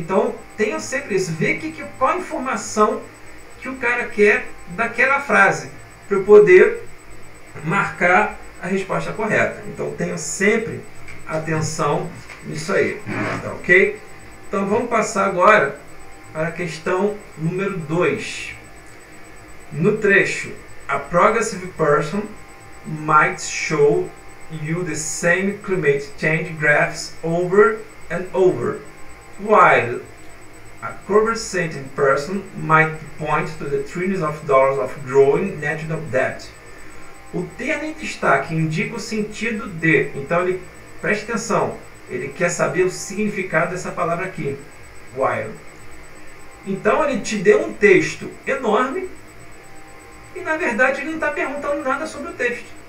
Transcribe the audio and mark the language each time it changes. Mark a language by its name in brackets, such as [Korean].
[Portuguese] Então, tenha sempre isso. Vê qual a informação que o cara quer daquela frase para eu poder marcar a resposta correta. Então, tenha sempre atenção nisso aí, tá ok? Então, vamos passar agora para a questão número 2. [English] No trecho, a progressive person might show you the same climate change graphs over and over, while a conversating person might point to the trillions of dollars of growing national debt. [Portuguese] O termo em destaque indica o sentido de. Então, ele preste atenção. Ele quer saber o significado dessa palavra aqui, while. Então, ele te deu um texto enorme e, na verdade, ele não está perguntando nada sobre o texto.